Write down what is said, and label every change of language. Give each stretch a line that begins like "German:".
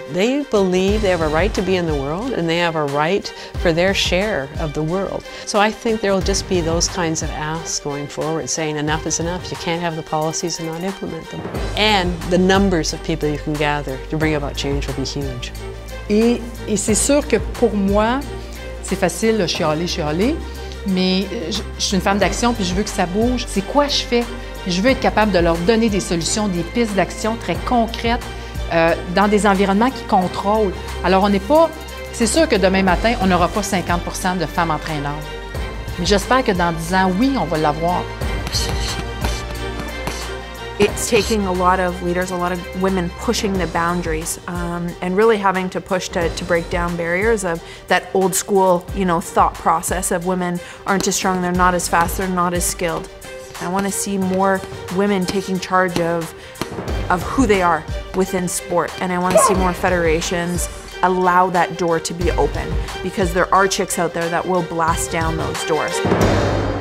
English: They believe they have a right to be in the world, and they have a right for their share of the world. So I think there will just be those kinds of asks going forward, saying enough is enough. You can't have the policies and not implement them. And the numbers of people you can gather to bring about change will be huge.
French: Et c'est sûr que pour moi, c'est facile, là, chialer, mais je suis une femme d'action, puis je veux que ça bouge. C'est quoi je fais? Je veux être capable de leur donner des solutions, des pistes d'action très concrètes dans des environnements qui contrôlent. Alors, on n'est pas C'est sûr que demain matin, on n'aura pas 50 % de femmes entraîneurs. Mais j'espère que dans 10 ans, oui, on va l'avoir.
English: It's taking a lot of leaders, a lot of women pushing the boundaries and really having to push to break down barriers of that old school, you know, thought process of women aren't as strong, they're not as fast, they're not as skilled. I want to see more women taking charge of who they are within sport, and I want to see more federations allow that door to be open, because there are chicks out there that will blast down those doors.